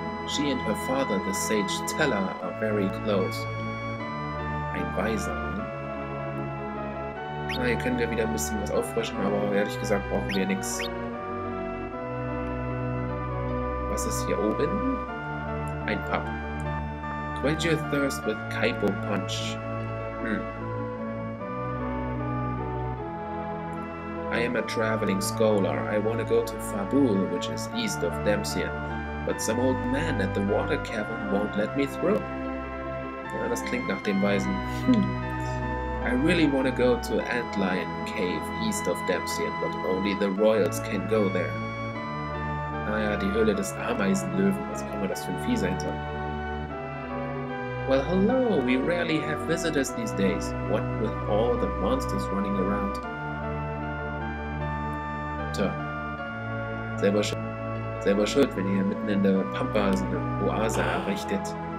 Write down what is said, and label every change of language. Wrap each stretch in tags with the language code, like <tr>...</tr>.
<en>She and her father, the Sage Teller, are very close.</en> <de>Ein Weiser, ne? Na, hier können wir wieder ein bisschen was auffrischen, aber ehrlich gesagt brauchen wir nichts. Was ist hier oben? Ein Pub.</de> <en>Quench your thirst with Kaipo Punch. I am a traveling scholar. I want to go to Fabul, which is east of Demsia. But some old man at the water cavern won't let me through.</en> <de>Ja, das klingt nach dem Weisen.</de> <en>I really want to go to Antlion Cave east of Demsian, but only the royals can go there.</en> <de>Naja, die Höhle des Ameisenlöwen, was kann man das für ein Vieh sein soll?</de> <en>Well, hello, we rarely have visitors these days. What with all the monsters running around?</en> <de>Tja, selber schuld, wenn ihr mitten in der Pampa so eine Oase errichtet.</de>